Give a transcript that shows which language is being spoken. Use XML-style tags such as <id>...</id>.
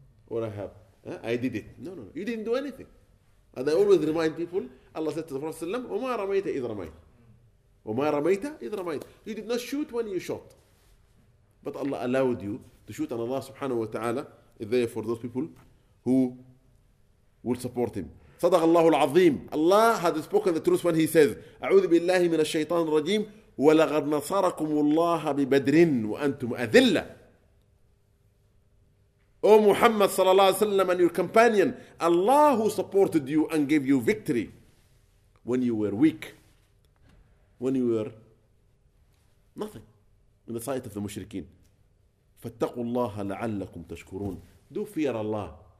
<en>Or I did it. No. You didn't do anything. And I always remind people, Allah said to the Prophet ﷺ,</en> <ar>وَمَا رَمَيْتَ إِذْ رَمَيْتَ</ar> <en>وَمَا رَمَيْتَ إِذْ رَمَيْتَ. You did not shoot when you shot. But Allah allowed you to shoot, and Allah subhanahu wa ta'ala is there for those people who will support him.</en> <ar>صدق الله العظيم.</ar> <en>Allah had spoken the truth when he says,</en> <ar>أعوذ بالله من الشيطان الرجيم ولقد نصركم الله ببدر وأنتم أذلة.</ar> <en>O Muhammad sallallahu alayhi wa sallam and your companion, Allah who supported you and gave you victory when you were weak, when you were nothing in the sight of the mushrikeen.</en> <ar>فَاتَّقُوا اللَّهَ لَعَلَّكُمْ تَشْكُرُونَ.</ar> <en>Do fear Allah.</en>